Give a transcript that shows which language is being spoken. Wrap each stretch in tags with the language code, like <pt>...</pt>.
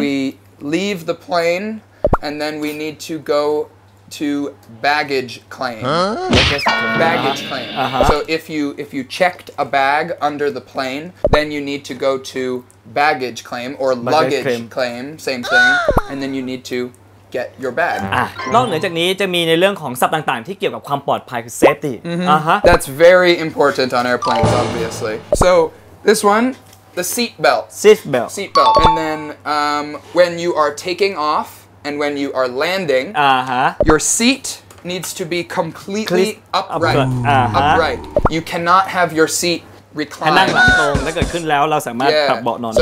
<en>We leave the plane, and then we need to go to baggage claim. Baggage claim. So if you checked a bag under the plane, then you need to go to... baggage claim or luggage claim same thing and then you need to get your bag</en> <th>นอกเหนือจากนี้จะมีในเรื่องของศัพท์ต่างๆที่เกี่ยวกับความปลอดภัยคือ safety</th> <en>that's very important on airplanes obviously so this one the seat belt and then when you are taking off and when you are landing your seatneeds to be completely upright you cannot have your seat recline.</en> <th>ให้นั่งหลังตรงถ้าเกิดขึ้นแล้วเราสามารถปรับเบาะนอนได</th>